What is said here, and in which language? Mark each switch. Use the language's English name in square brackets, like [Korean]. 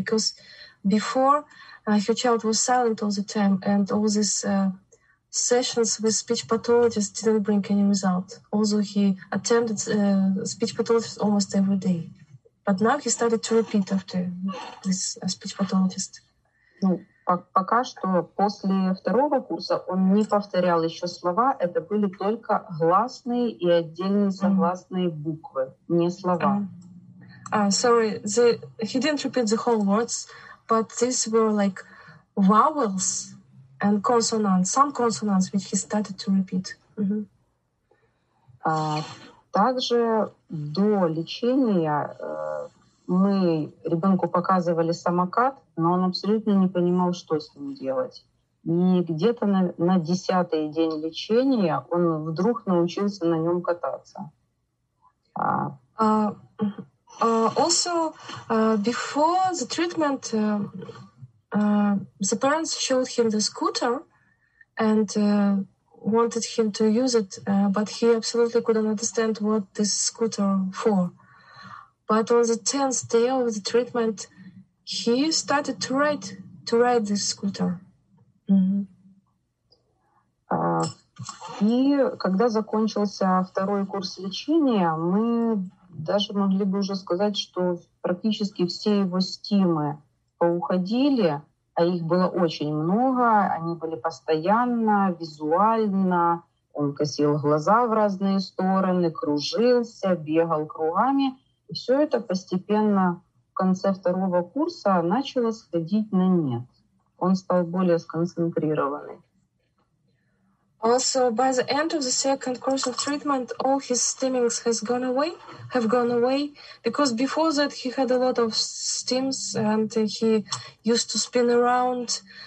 [English] Because before, her child was silent all the time, and all these sessions with speech pathologists didn't bring any result. Also, he attended speech pathologist almost every day. But now he started to repeat after this speech pathologist. [Russian] Пока что после второго курса он не повторял еще слова. Это были только гласные и отдельные согласные буквы, не слова. [English] Sorry, he didn't repeat the whole words, but these were like vowels and consonants, some consonants, which he started to repeat. [Russian] Также до лечения... Мы ребенку показывали самокат, но он абсолютно не понимал, что с ним делать. И где-то на 10-й день лечения он вдруг научился на нем кататься. [English] Also, before the treatment, the parents showed him the scooter and wanted him to use it, but he absolutely couldn't understand what this scooter for. But on the 10th day of the treatment, he started to ride this scooter. [Russian] И когда закончился второй курс лечения, мы даже могли бы уже сказать, что практически все его стимы поуходили, а их было очень много, они были постоянно, визуально, он косил глаза в разные стороны, кружился, бегал кругами. И все это постепенно в конце второго курса начало сходить на нет. Он стал более сконцентрированным. [English] Also, by the end of the second course of treatment, all his stimmings have gone away, because before that he had a lot of stims and he used to spin around.